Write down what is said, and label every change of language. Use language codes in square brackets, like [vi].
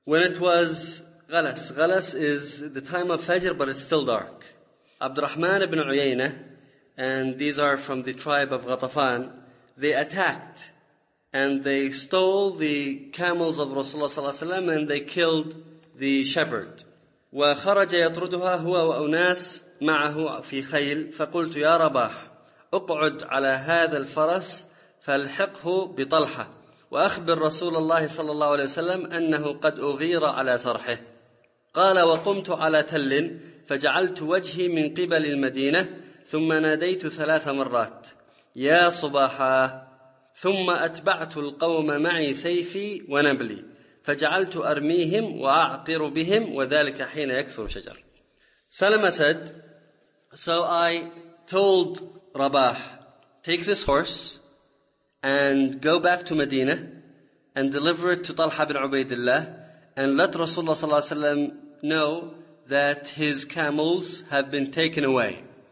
[en] When it was غَلَس, غَلَس is the time of Fajr, but it's still dark. عبد الرحمن بن عيينة, and these are from the tribe of Ghatafan, they attacked and they stole the camels of Rasulullah ﷺ and they killed the shepherd. [ar] وَخَرَجَ يَطْرُدُهَا هُوَ وَأُنَاسْ مَعَهُ فِي خَيْلٍ فَقُلْتُ يَا رَبَاحُ اُقْعُدْ عَلَى هَذَا الْفَرَسِ فَالْحِقْهُ بِطَلْحَةِ وَأَخْبِرْ رَسُولَ اللَّهِ صَلَى اللَّهُ عَلَيْهِ وَسَلَّمْ أَنَّهُ قَدْ أُغِيرَ عَلَى صَرْحِهِ قَالَ وَقُمْتُ عَلَى تَلٍ فَجَعَلْتُ وَجْهِي مِنْ قِبَلِ الْمَدِينَةِ ثُمَّ نَادَيْتُ ثَلَاثَ مَرَّاتِ يَا صُبَاحَا ثم أتبعت القوم معي سيفي ونبلي فجعلت أرميهم وأعقر بهم وذلك حين يكثر شجر. [en] Salama said, so I told Rabah, take this horse and go back to Medina and deliver it to Talha bin Ubaidillah and let Rasulullah صلى الله عليه وسلم know that his camels have been taken away.